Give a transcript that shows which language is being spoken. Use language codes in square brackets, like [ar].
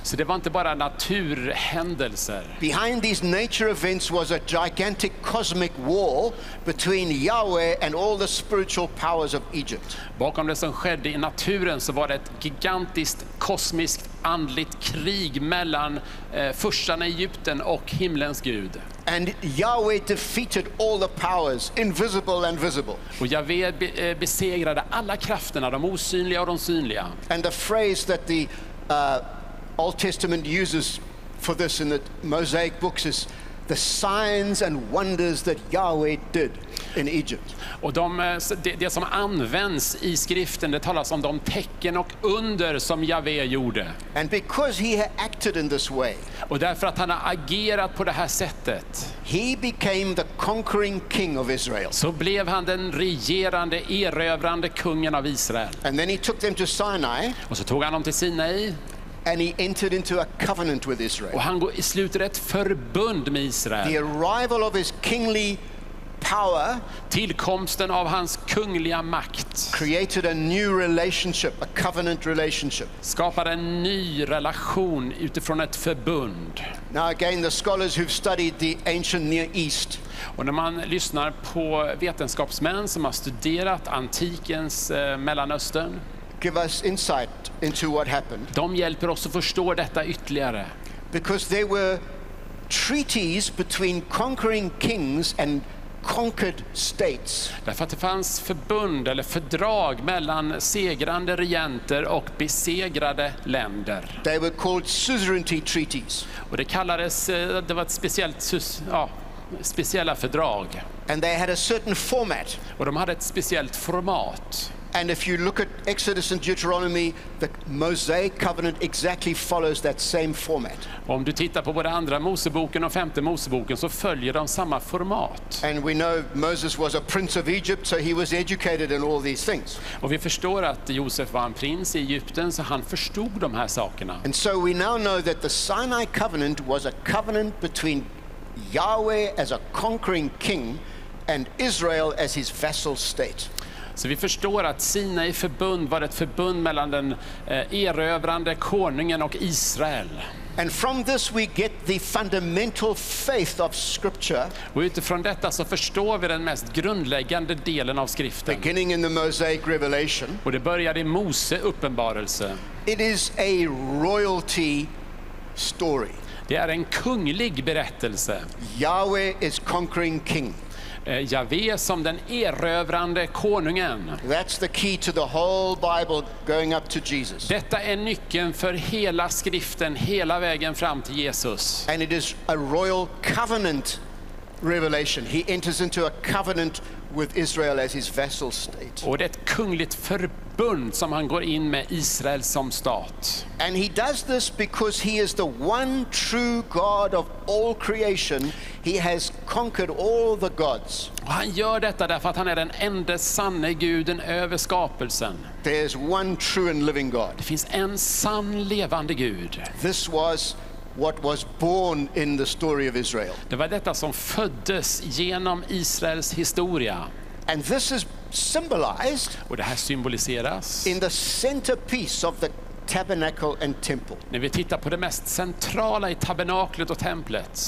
[sv] Så det var inte bara naturhändelser. [en] Behind these nature events was a gigantic cosmic war between Yahweh and all the spiritual powers of Egypt. [sv] Bakom det som skedde i naturen så var det ett gigantiskt kosmiskt andligt krig mellan furstarna i Egypten och himlens gud. [en] And Yahweh defeated all the powers, invisible and visible. [sv] Och Yahweh besegrade alla krafterna, de osynliga och de synliga. [en] And the phrase that the Old Testament uses for this in the Mosaic books is the signs and wonders that Yahweh did in Egypt. [sv] Och det som används i skriften, det talas om de tecken och under som Yahweh gjorde. [en] And because he had acted in this way. [sv] Och därför att han har agerat på det här sättet. [en] He became the conquering king of Israel. [sv] Så blev han den regerande, erövrande kungen av Israel. [en] And then he took them to Sinai. [sv] Och så tog han dem till Sinai. [en] And he entered into a covenant with Israel. [sv] Och han sluter ett förbund med Israel. [en] The arrival of his kingly power, [sv] tillkomsten av hans kungliga makt, [en] created a new relationship, a covenant relationship. [sv] Skapade en ny relation utifrån ett förbund. [en] Now again, the scholars who've studied the ancient Near East. [sv] Och när man lyssnar på vetenskapsmän som har studerat antikens Mellanöstern, [en] give us insight into what happened. [sv] De hjälper oss att förstå detta ytterligare. [en] Because there were treaties between conquering kings and conquered states. [sv] Därför att det fanns förbund eller fördrag mellan segrande regenter och besegrade länder. [en] They were called suzerainty treaties. [sv] Och det kallades, det var ett speciellt, ja, speciella fördrag. [en] And they had a certain format. [sv] Och de hade ett speciellt format. [en] And if you look at Exodus and Deuteronomy, the Mosaic covenant exactly follows that same format. [sv] Om du tittar på både andra Moseboken och femte Moseboken så följer de samma format. [en] And we know Moses was a prince of Egypt, so he was educated in all these things. [sv] Och vi förstår att Josef var en prins i Egypten, så han förstod de här sakerna. [en] And so we now know that the Sinai covenant was a covenant between Yahweh as a conquering king and Israel as his vassal state. [sv] Så vi förstår att Sinai förbund var ett förbund mellan den erövrande konungen och Israel. [en] And from this we get the fundamental faith of scripture. [sv] Och utifrån detta så förstår vi den mest grundläggande delen av skriften. [en] Beginning in the Mosaic revelation. [sv] Och det började i Mose uppenbarelse. [en] It is a royalty story. [sv] Det är en kunglig berättelse. [en] Yahweh is conquering king. [sv] Jahve som den erövrande konungen. [en] That's the key to the whole Bible going up to Jesus. [sv] Detta är nyckeln för hela skriften hela vägen fram till Jesus. [en] And it is a royal covenant revelation. He enters into a covenant with Israel as his vassal state. [sv] Och det är ett kungligt förbund som han går in med Israel som stat. [en] And he does this because he is the one true God of all creation. He has conquered all the gods. [sv] Och han gör detta därför att han är den enda sanna guden över skapelsen. [en] There's one true and living God. [sv] Det finns en sann levande gud. [en] This was what was born in the story of Israel. [sv] Det var detta som föddes genom Israels historia. [en] And this is symbolized. [sv] Och det här symboliseras. [en] In the centerpiece of the tabernacle and temple. [sv] När vi tittar på det mest centrala i tabernaklet och templet.